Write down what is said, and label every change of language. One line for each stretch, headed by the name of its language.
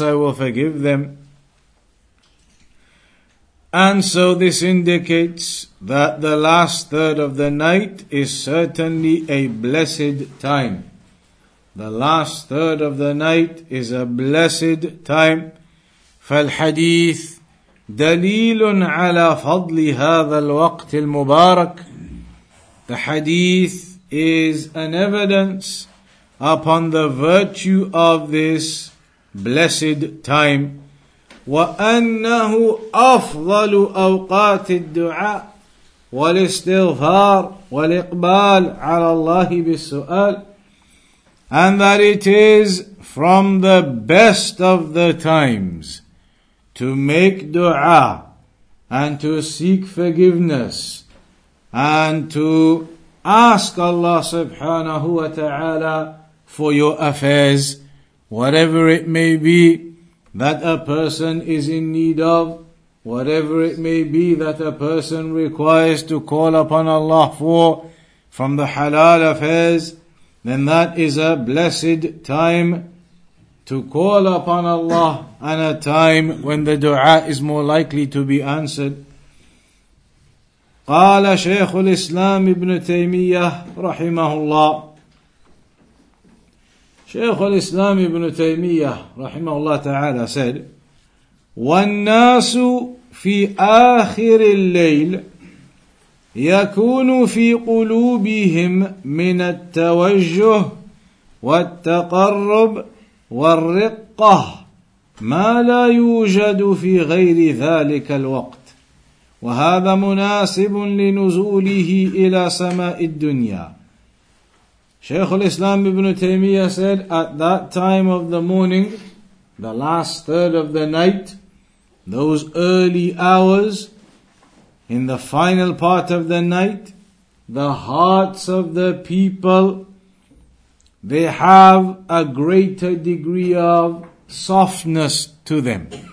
English: I will forgive them." And so this indicates that the last third of the night is certainly a blessed time. The last third of the night is a blessed time.
Arabic: فالحديث دليل على فضل هذا الوقت المبارك.
English: The hadith is an evidence upon the virtue of this blessed time.
Arabic: وأنه أفضل أوقات الدعاء والاستغفار والإقبال على الله بالسؤال.
English: And that it is from the best of the times to make dua and to seek forgiveness and to ask Allah subhanahu wa ta'ala for your affairs, whatever it may be that a person is in need of, whatever it may be that a person requires to call upon Allah for, from the halal affairs. Then that is a blessed time to call upon Allah, and a time when the dua is more likely to be answered.
Arabic: قال شيخ الإسلام ابن تيمية رحمه الله. شيخ الإسلام ابن تيمية رحمه الله تعالى
English: said,
Arabic: والناس في آخر الليل يكون في قلوبهم من التوجه والتقرب والرقة ما لا يوجد في غير ذلك الوقت، وهذا مناسب لنزوله إلى سماء الدنيا.
English: شيخ الإسلام ابن تيمية said, at that time of the morning, the last third of the night, those early hours, in the final part of the night, the hearts of the people, they have a greater degree of softness to them.